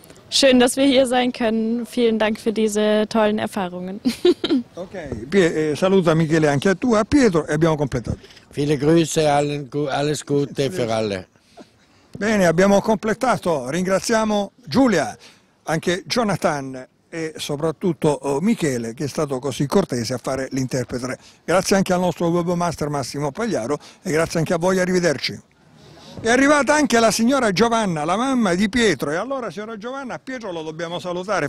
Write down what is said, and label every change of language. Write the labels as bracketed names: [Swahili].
[German] Schön, dass wir hier sein können. Vielen Dank für diese tollen Erfahrungen. [Italian] Okay, saluta Michele anche a tu, a Pietro e abbiamo completato. [German] Viele Grüße, alles Gute für alle. [Italian] Bene, abbiamo completato. Ringraziamo Giulia, anche Jonathan e soprattutto Michele, che è stato così cortese a fare l'interprete. Grazie anche al nostro webmaster Massimo Pagliaro e grazie anche a voi, arrivederci. È arrivata anche la signora Giovanna, la mamma di Pietro. E allora, signora Giovanna, a Pietro lo dobbiamo salutare.